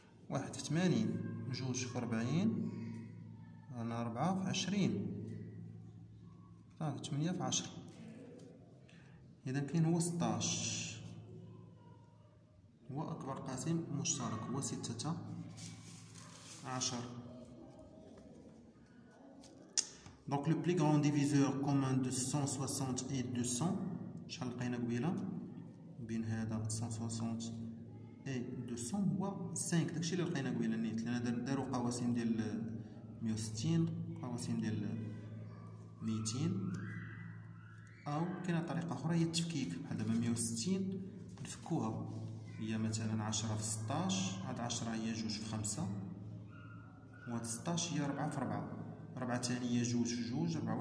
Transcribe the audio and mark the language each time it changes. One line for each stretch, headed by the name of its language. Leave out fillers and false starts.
Arabic: واحد في ثمانين، جوج في أربعين، أنا أربعة في عشرين، صافي تمنية في عشرة. إذا كاين هو ستاش، هو أكبر قاسم مشترك، هو ستة عشر.
French: Donc le plus grand diviseur commun de 160 et 200,
Arabic: شحال لقينا قبيله بين هذا
French: 160 et 200
Arabic: هو 5. داكشي اللي لقينا قبيله نيت، لان داروا قواسم ديال 160، قواسم ديال 200، او كاينه طريقه اخرى هي التفكيك. بحال دابا 160 نفكوها، هي مثلا 10 في 16، هاد 10 هي 2 في 5، و 16 هي 4 في 4، ربعة تانية جوج جوج ربعة.